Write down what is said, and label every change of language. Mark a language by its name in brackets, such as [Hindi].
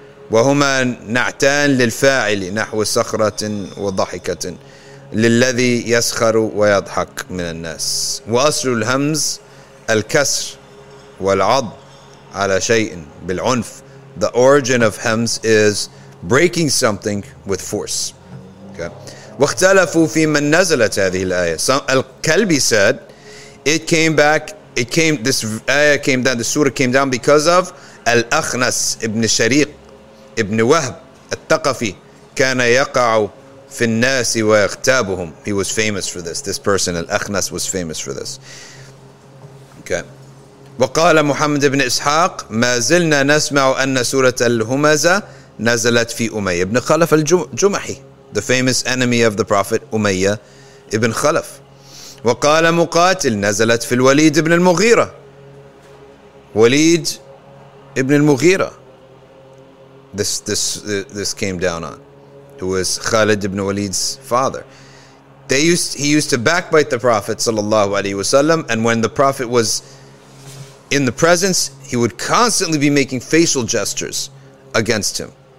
[Arabic] وَهُمَا نَعْتَان لِلْفَاعِلِ نَحْوَ سَخْرَةٍ وَضَحِكَةٍ لِلَّذِي يَسْخَرُ وَيَضْحَكْ مِنَ النَّاسِ. وَأَصْلُ الْهَمْزِ الْكَسْرِ وَالْعَضْ عَلَى شَيْءٍ بِالْعُنْفِ. [English] The origin of hams is breaking something with force. [Arabic] واختلفوا في من نزلت هذه الآية. [English] Al-Kalbi said, this ayah came down, the surah came down because of Al-Akhnas ibn Shariq ibn Wahb al-Taqafi. [Arabic] كَانَ يَقَعُ فِي النَّاسِ وَيَغْتَابُهُمْ. [English] He was famous for this. This person, Al-Akhnas, was famous for this. [Arabic] Okay. وَقَالَ مُحَمَّدِ ابْنِ إِسْحَاقِ مَا زِلْنَا نَسْمَعُ أَنَّ سُورَةَ الْهُمَزَةِ نزلت في أمية بن خلف الجمحي, [English] the famous enemy of the Prophet [Arabic] أمية ابن خلف. وقال مقاتل نزلت في الوليد ابن المغيرة. وليد ابن المغيرة. [English] This came down on, who was Khalid ibn Walid's father. He used to backbite the Prophet sallallahu alaihi wasallam, and when the Prophet was in the presence, he would constantly be making facial gestures against him.